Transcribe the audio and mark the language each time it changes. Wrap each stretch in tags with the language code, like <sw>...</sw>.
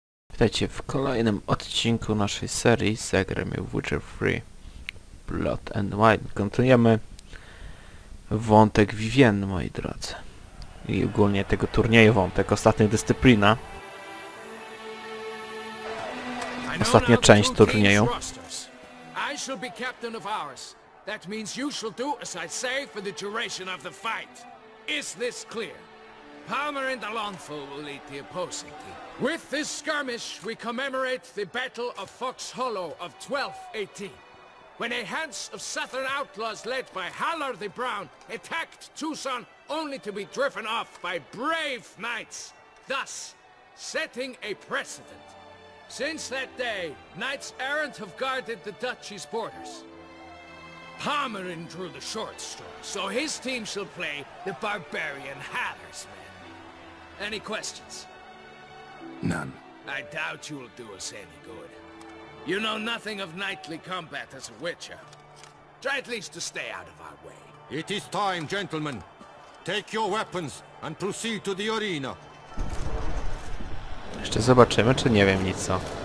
<pl>witajcie w kolejnym odcinku naszej serii Zagrajmy w Witcher 3 Blood and Wine. Kontynuujemy wątek Vivien, moi drodzy. I ogólnie tego turnieju wątek, ostatnia dyscyplina. Ostatnia część turnieju.</pl> <en>I shall be captain of ours. That means you shall do as I say for the duration of the fight. Is this clear? Palmer and Alonso will lead the opposing team. With this skirmish, we commemorate the Battle of Fox Hollow of 1218, when a handful of southern outlaws led by Hallar the Brown attacked Tucson only to be driven off by brave knights, thus setting a precedent. Since that day, knights errant have guarded the duchy's borders. Pomeran drew the short straw, so his team shall play the barbarian Hallar's men. Any questions? None. I doubt you will do us any good. You know nothing of knightly combat as a witcher. Try at least to stay out of our way. It is time, gentlemen. Take your weapons and proceed to the arena.</en> <pl>Jeszcze zobaczymy, czy nie wiem nic co.</pl>